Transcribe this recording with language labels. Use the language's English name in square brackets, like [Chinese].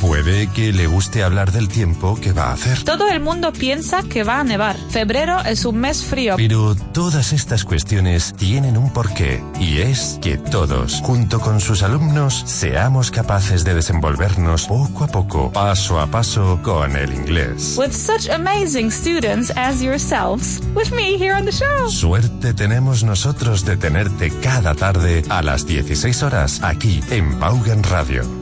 [Spanish] Puede que le guste hablar del tiempo que va a hacer. Todo el mundo piensa que va a nevar. Febrero es un mes frío. Pero todas estas cuestiones tienen un porqué. Y es que todos, junto con sus alumnos, seamos capaces de desenvolvernos poco a poco, paso a paso, con el inglés. [English] With such amazing students as yourselves, with me here on the show. [Spanish] Suerte tenemos nosotros de tenerte cada tarde a las 16 horas aquí en Vaughan Radio.